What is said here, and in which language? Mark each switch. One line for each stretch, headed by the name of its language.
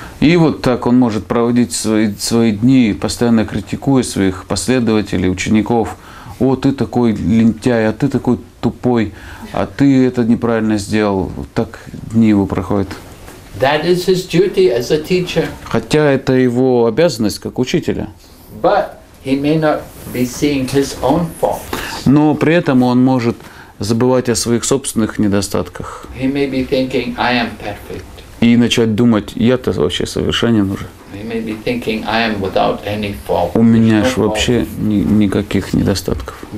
Russian: И вот так он может проводить свои дни, постоянно критикуя своих последователей, учеников. О, ты такой лентяй, а ты такой тупой, а ты это неправильно сделал. Вот так дни его проходят.
English: That is his duty as a teacher.
Russian: Хотя это его обязанность как учителя.
English: But he may not be seeing his own faults.
Russian: Но при этом он может забывать о своих собственных недостатках.
English: He may be thinking, I am perfect.
Russian: и начать думать, я-то вообще совершенен уже.
English: Thinking,
Russian: у меня же вообще никаких недостатков.